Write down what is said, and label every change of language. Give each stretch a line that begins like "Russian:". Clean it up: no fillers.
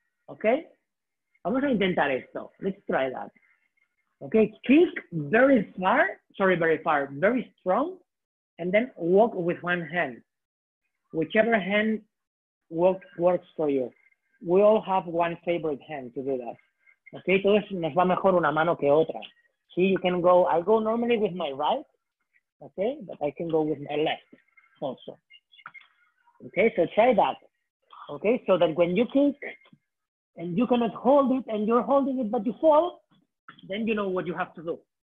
Spanish: Okay, vamos a intentar esto.
English: Let's try that. Okay, kick very strong, and then walk with one hand. Whichever hand works for you. We all have one favorite hand to do that.
Spanish: Okay, todos nos va mejor una mano que otra.
English: See, you can go, I go normally with my right, okay, but I can go with my left also. Okay, so try that. Okay, so that when you kick and you cannot hold it and you're holding it but you fall, then you know what you have to do.